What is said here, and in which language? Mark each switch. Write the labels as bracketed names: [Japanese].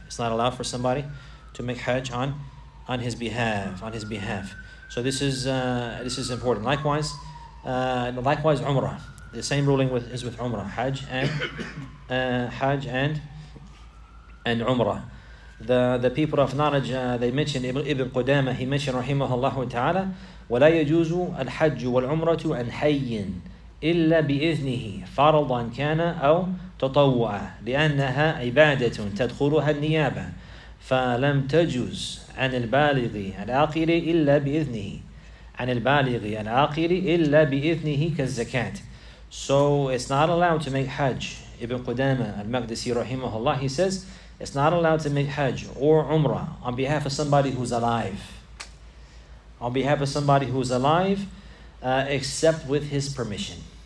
[English] It's not allowed for somebody to make Hajj on his behalf. So this is important. Likewise, Umrah. The same ruling is with Umrah, Hajj and Hajj and Umrah. The people of knowledge, they mentioned Ibn Qudama. He mentioned, rahimahullah ta'ala, [Arabic] وَلَا يَجُوزُ الْحَجُّ وَالْعُمْرَةُ عَنْ حَيٍّ إِلَّا بِإِذْنِهِ فَرَضًا كَانَ أَوْ تَطَوَّعَ لِأَنَّهَا عِبَادَةٌ تَدْخُلُهَا النِّيَابَةً فَلَمْ تَجُوز عَنْ الْبَالِغِ الْعَاقِلِ إِلَّا بِإِذْنِهِ عَنْ الْبَالِغِ الْعَاقِلِ إِلَّا بِإِذْنِهِ كَالزَّكَاةِ. [English] So it's not allowed to make Hajj. Ibn Qudama al-Maqdisi rahimahullah, he says, it's not allowed to make Hajj or Umrah on behalf of somebody who's alive. On behalf of somebody who's alive, except with his permission.